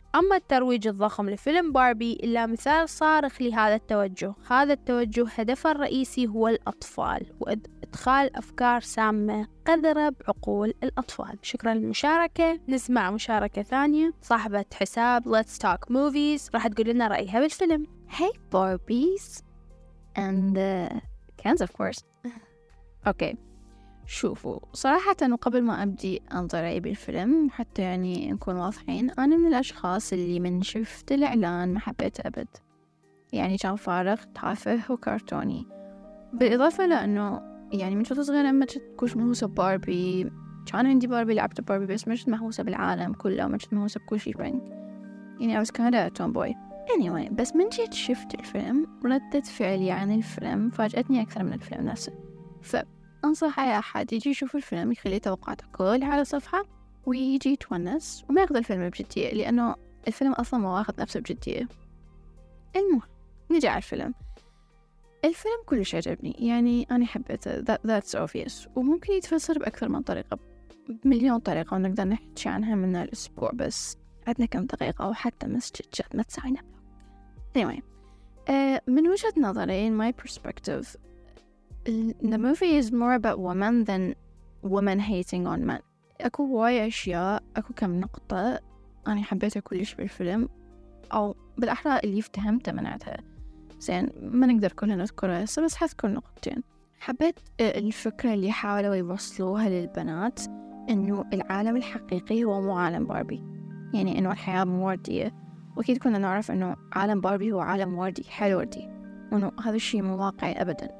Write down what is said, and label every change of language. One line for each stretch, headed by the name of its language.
Arabic: أما الترويج الضخم لفيلم باربي إلا مثال صارخ لهذا التوجه. هذا التوجه هدفه الرئيسي هو الأطفال وإدخال أفكار سامة قذرة بعقول الأطفال. شكرا للمشاركة. نسمع مشاركة ثانية. صاحبة حساب Let's Talk Movies راح تقول لنا رأيها بالفيلم.
English: Hey, Barbies, and Kens, of course.
Arabic: Okay, شوفوا صراحة قبل ما أبدي أنظر أي بالفيلم حتى يعني نكون واضحين، أنا من الأشخاص اللي من شفت الإعلان ما حبيت أبد، يعني كان فارغ تافه وكرتوني. بالإضافة لأنه يعني من فترة صغيرة ما كنت مهوسة باربي، كان عندي باربي لعبت باربي بس ما كنت مهوسة بالعالم كله، ما كنت مهوسة بكل شيء فرنك، يعني
English: I was kind of a tomboy.
Arabic: Anyway, بس من جيت شفت الفيلم ردة فعلي عن الفيلم فاجأتني أكثر من الفيلم نفسه. فأنصح أي أحد يجي يشوف الفيلم يخلي توقعاته كلها على صفحة ويجي يتونس وما يأخذ الفيلم بجدية، لأنه الفيلم أصلاً ما واخذ نفسه بجدية. المهم نجي على الفيلم. الفيلم كل شيء عجبني، يعني أنا حبيته
English: that's obvious،
Arabic: وممكن يتفسر بأكثر من طريقة بمليون طريقة ونقدر نحكي عنها من الأسبوع، بس عدنا كم دقيقة أو حتى مسجد جد ما تسعينا.
English: anyway,
Arabic: من وجهة نظري
English: in my perspective the movie is more about women than women hating on men.
Arabic: أكو واي أشياء، أكو كم نقطة أنا حبيتها كلش بالفيلم أو بالأحرى اللي افتهمتها منعتها زين، ما نقدر كلنا نذكرها هسه بس حذكر نقطتين. حبيت الفكرة اللي حاولوا يوصلوها للبنات إنه العالم الحقيقي هو مو عالم باربي، يعني إنه الحياة مو وردية، وأكيد كنا نعرف إنه عالم باربي هو عالم وردي حلو وردي، وإنه هذا الشيء مو واقعي أبداً.